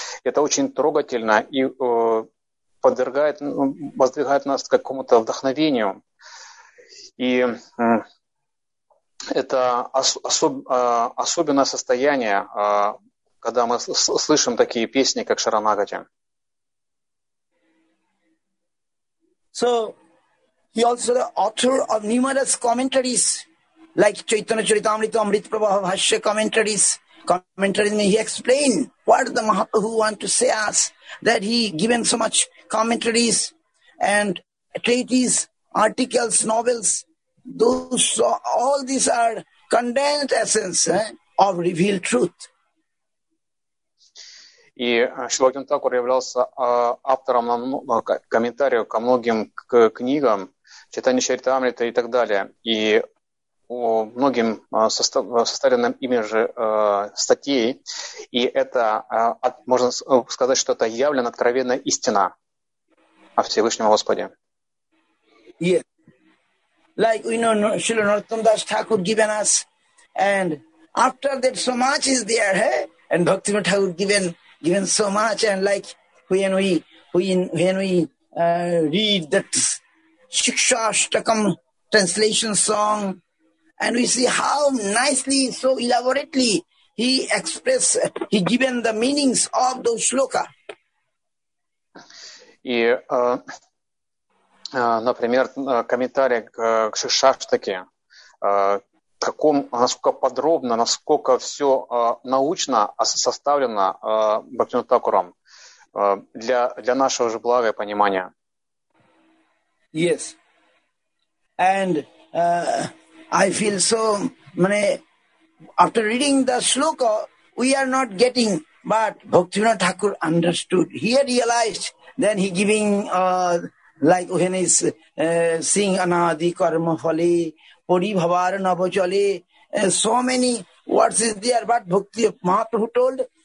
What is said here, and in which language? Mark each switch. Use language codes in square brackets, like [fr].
[ru] Это очень трогательно и подвергает, воздвигает нас к какому-то вдохновению. И это особенное состояние, когда мы слышим такие песни, как Шаранагати. [en] So, he also the author of numerous commentaries. Like Chaitanya Charitamrita Amrita Prabhava Bhashya commentaries, he explained what the Mahaprabhu want to say us, that he given so much commentaries and treatises, articles, novels, those all these are condensed essence of revealed truth. [ru] И Шрила Бхактивинода Тхакур являлся автором комментариев ко многим книгам, Чайтанья Чаритамрита и так далее. И многим составлено ими же статьи, и это, можно сказать, что это явлена откровенная истина о Всевышнем Господе. [en] Yeah. Like we know, Srila Narottam Das Thakur given us, and after that so much is there, hey? And Bhaktivinoda Thakur given so much, and like when we read that Shikshashtakam translation song, and we see how nicely, so elaborately, he expressed, he given the meanings of those shloka. [ru] И, например, комментарий к Шиштхаке, каком, насколько подробно, насколько все научно составлено Бхактивинода Тхакуром для нашего же блага и понимания. [en] Yes. And I feel so, after reading the shloka, we are not getting, but Bhaktivinoda Thakur understood. He had realized, then he giving, like when he's seeing [bn] anadi karma phale, paribhavara navachale, [en] so many words is there, but Bhakti Mahaprabhu told,